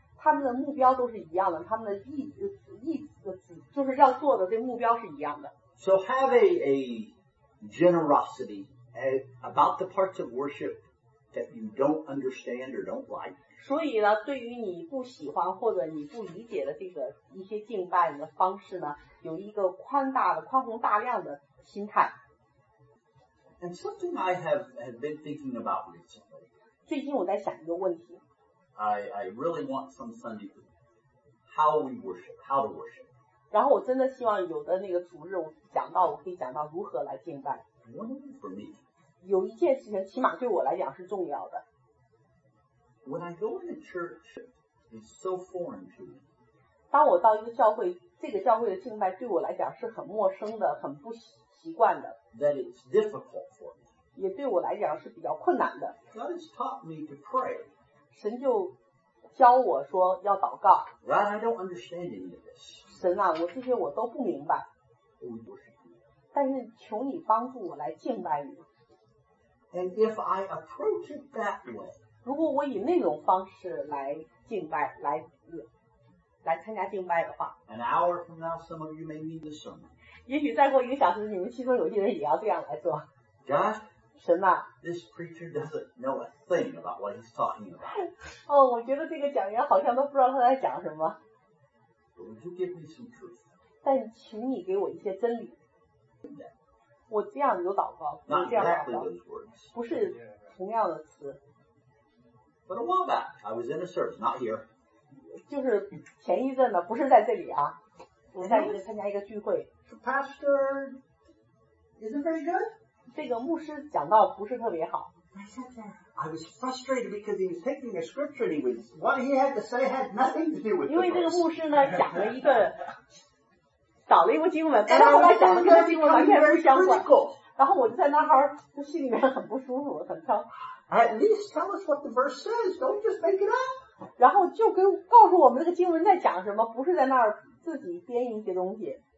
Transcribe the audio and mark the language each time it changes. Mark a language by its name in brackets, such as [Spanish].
[Chinese] 他们的目标都是一样的，他们的意就是要做的这个目标是一样的。 [English] So have a generosity about the parts of worship that you don't understand or don't like. [Chinese] 所以呢，对于你不喜欢或者你不理解的这个一些敬拜的方式呢，有一个宽大的、宽宏大量的心态。 [English] And something I have been thinking about recently. [Chinese] 最近我在想一个问题。 [English] I really want some Sunday to how we worship, how to worship. [Chinese] 然后我真的希望有的那个主日，我讲到我可以讲到如何来敬拜。 [English] One thing for me. [Chinese] 有一件事情，起码对我来讲是重要的。 [English] When I go in a church, it's so foreign to me. [Chinese] 当我到一个教会，这个教会的敬拜对我来讲是很陌生的，很不喜。习惯的 [English] that it's difficult for me. [Chinese] 也对我来讲是比较困难的 [English] God has taught me to pray. [Chinese] 神就教我说要祷告 [English] Right, I don't understand any of this. [Chinese] 神啊，我这些我都不明白 但是求你帮助我来敬拜你 [English] And if I approach it that way, [Chinese] 如果我以那种方式来敬拜，来参加敬拜的话 [English] An hour from now, some of you may need this sermon. [Chinese] 也许再过一个小时，你们其中有些人也要这样来做。 [English] God, [Chinese] 神呐、啊、 [English] ，This preacher doesn't know a thing about what he's talking about. [Chinese] 哦，我觉得这个讲员好像都不知道他在讲什么。 [English] But would you give me some truth? [Chinese] 但请你给我一些真理。我这样有祷告， [English] Not exactly those words. [Chinese] 不是同样的词。 [English] But a while back, I was in a service, not here. [Chinese] 就是前一阵呢，不是在这里啊，我在一个参加一个聚会。 [English] The pastor isn't very good. [Chinese] 这个牧师讲到不是特别好。 [English] I was frustrated because he was taking a scripture and what he had to say had nothing to do with the verse. [Chinese] 因为这个牧师呢讲了一个找了一部经文，但是后来讲的跟经文完全不相关。然后我就在那儿，就心里面很不舒服，很挑。 [English] At least tell us what the verse says. Don't just make it up. [Chinese] 然后就跟告诉我们这个经文在讲什么，不是在那儿自己编一些东西。